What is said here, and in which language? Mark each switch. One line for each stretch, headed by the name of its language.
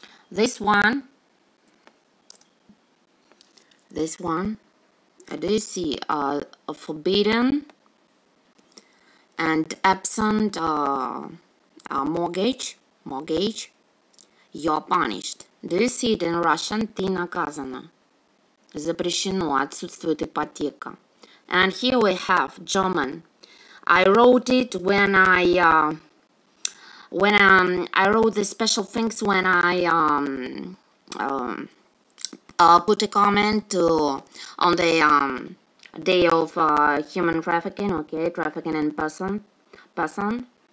English: This one, do you see, a forbidden and absent mortgage, you're punished. Do you see it in Russian?
Russian: Ты наказана. Запрещено, отсутствует ипотека.
English: And here we have German. I wrote it when I put a comment to on the day of human trafficking, okay, trafficking in persons.